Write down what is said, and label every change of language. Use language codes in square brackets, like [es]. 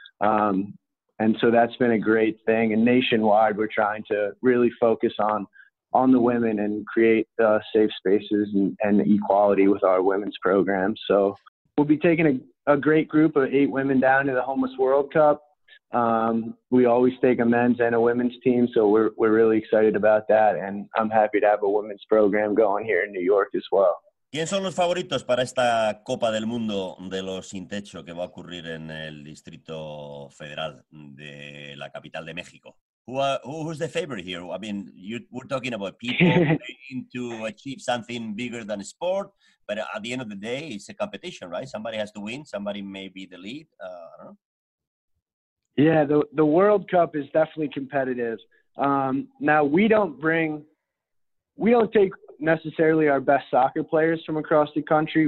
[en] And so that's been a great thing. And nationwide, we're trying to really focus on the women and create safe spaces and equality with our women's program. So we'll be taking a great group of 8 women down to the Homeless World Cup. We always take a men's and a women's team. So we're really excited about that. And I'm happy to have a women's program going here in New York as well. [es] ¿Quién son los favoritos para esta Copa del Mundo de los Sin Techo que va a ocurrir en el Distrito Federal de la capital de México? [en] Who's the favorite here? I mean, we're talking about people trying to achieve something bigger than sport, but at the end of the day, it's a competition, right? Somebody has to win. Somebody may be the lead. I don't know. Yeah, the World Cup is definitely competitive. Now, we don't take necessarily our best soccer players from across the country.